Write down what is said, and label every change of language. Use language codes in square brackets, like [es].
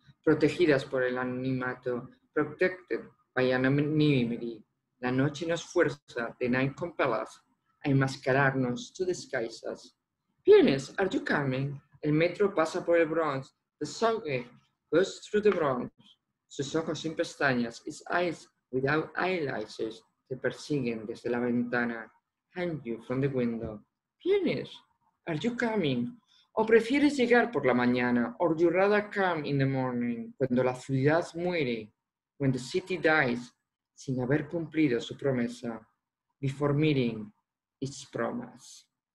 [es] Protegidas por el anonimato. [en] Protected by anonymity. [es] La noche nos fuerza, [en] the night compels us, [es] a enmascararnos, [en] to disguise us. [es] Pienes, [en] are you coming? [es] El metro pasa por el Bronx. [en] The subway goes through the Bronx. [es] Sus ojos sin pestañas, [en] his eyes without eyelashes, [es] te persiguen desde la ventana. [en] Hang you from the window. [es] Pienes, [en] are you coming? [es] ¿O prefieres llegar por la mañana? [en] Or you rather come in the morning? [es] Cuando la ciudad muere. [en] When the city dies. [es] Sin haber cumplido su promesa. [en] Before meeting its promise.